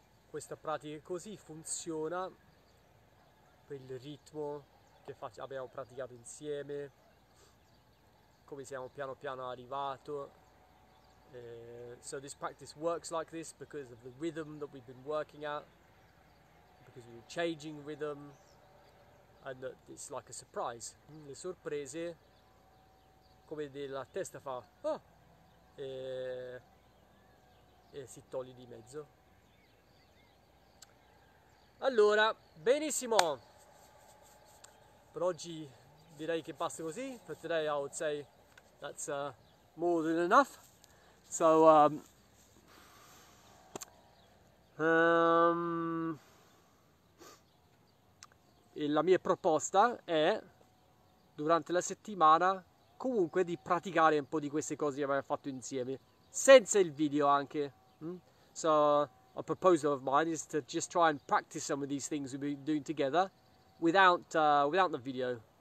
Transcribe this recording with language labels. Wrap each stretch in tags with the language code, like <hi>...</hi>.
<it>Questa pratica così funziona per il ritmo che abbiamo praticato insieme, come siamo piano piano arrivato.</it> <en>So this practice works like this because of the rhythm that we've been working at, because we're changing rhythm, and that it's like a surprise.</en> <it>Le sorprese, come della testa fa, e si toglie di mezzo. Allora, benissimo. Per oggi direi che basta così.</it> <en>For today, I would say that's more than enough.</en> <it>So, la mia proposta è, durante la settimana, comunque di praticare un po' di queste cose che abbiamo fatto insieme, senza il video anche.</it> <en>So, a proposal of mine is to just try and practice some of these things we've been doing together without the video.</en>